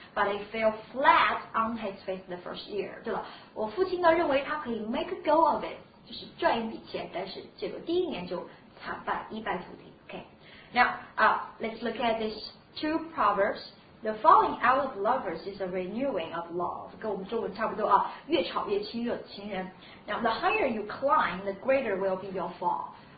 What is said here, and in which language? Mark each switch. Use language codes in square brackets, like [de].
[en] But he fell flat on his face the first year. [zh] 对了，我父亲呢认为他可以 [en] make a go of it, [zh] 就是赚一笔钱，但是结果第一年就惨败，一败涂地。 [en] OK, now let's look at these two proverbs. The falling out of lovers is a renewing of love. [zh] 跟我们中文差不多啊，越吵越亲热的情人。 [en] Now the higher you climb, the greater will be your fall.